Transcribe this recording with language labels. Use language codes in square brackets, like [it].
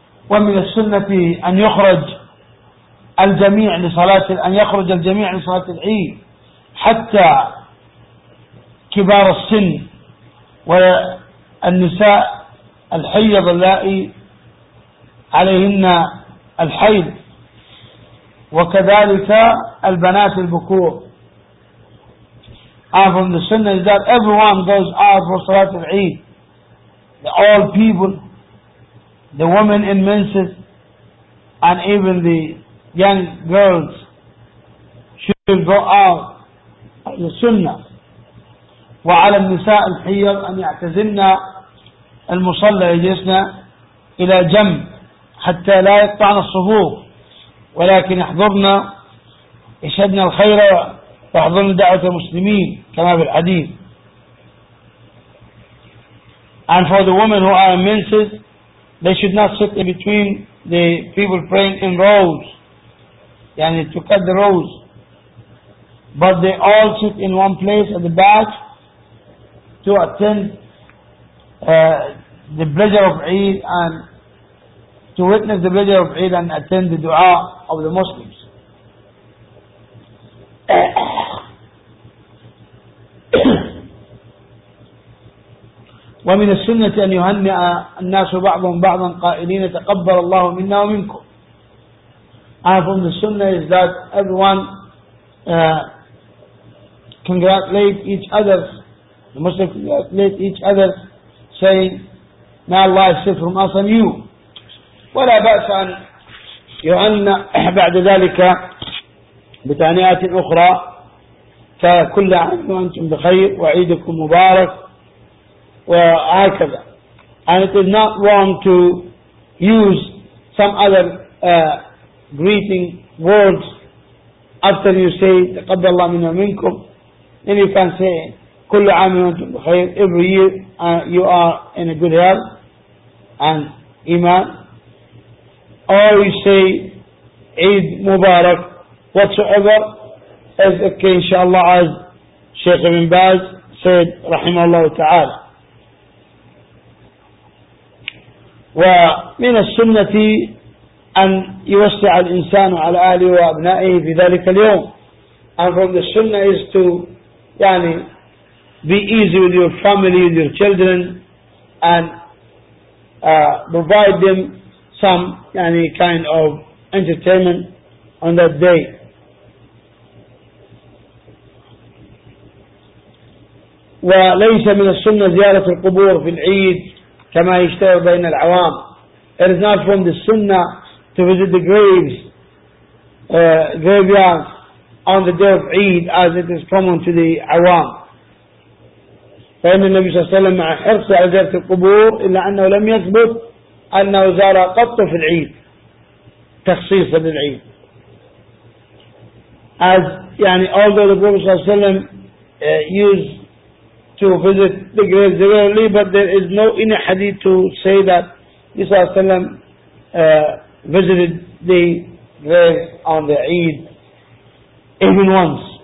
[ar] ومن السنة أن يخرج الجميع لصلاة أن يخرج الجميع لصلاة العيد حتى كبار السن والنساء الحيض اللائي عليهن الحيض وكذلك البنات البكور. [en] And from the sunnah is that everyone goes out for Salat al-Eid. The old people, the women in menses, and even the young girls should go out for the sunnah. [ar] وعلى النساء الحيض أن يعتزلن المصلى يجلسن إلى جنب حتى لا يقطعن الصفوف ولكن يحضرن يشهدن الخير فحضرنا دعوة المسلمين كما في الحديث. [en] And for the women who are menses, they should not sit in between the people praying in rows, يعني to cut the rows, but they all sit in one place at the back to attend the pleasure of Eid and to witness the pleasure of Eid and attend the dua of the Muslims. [ar] ومن السنة أن يهنئ الناس بعضهم بعضا قائلين تقبل الله منا ومنكم. [en] And from the sunnah is that everyone congratulate each other, the Muslim congratulate each other saying may Allah accept from us and you. [ar] ولا بأس أن يهنئ بعد ذلك بتهنئة أخرى فكل عام وأنتم بخير وعيدكم مبارك. وهكذا. [en] And it is not wrong to use some other greeting words after you say [ar] تقبل الله منا منكم. [en] Then you can say [ar] كل عام وانتم بخير, [en] every year you are in a good health and iman, or you say [ar] عيد مبارك, [en] whatsoever is okay inshallah, as Sheikh Ibn Baz said [ar] رحمه الله تعالى. ومن السنة أن يوسع الإنسان على أهله وأبنائه في ذلك اليوم. [en] And from the sunnah is to يعني be easy with your family, with your children, and provide them some يعني kind of entertainment on that day. [ar] وليس من السنة زيارة القبور في العيد كما يشتهر بين العوام. [en] It is not from the sunnah to visit the graves, graveyards on the day of Eid as it is common to the عوام. [ar] فإن النبي صلى الله عليه وسلم مع حرص على زيارة القبور إلا أنه لم يثبت أنه زار قط في العيد تخصيصا للعيد. [en] As [ar] يعني [en] although the Prophet [ar] صلى الله عليه وسلم [en] used to visit the graves regularly, but there is no any hadith to say that Isa sallam visited the graves on the Eid even once.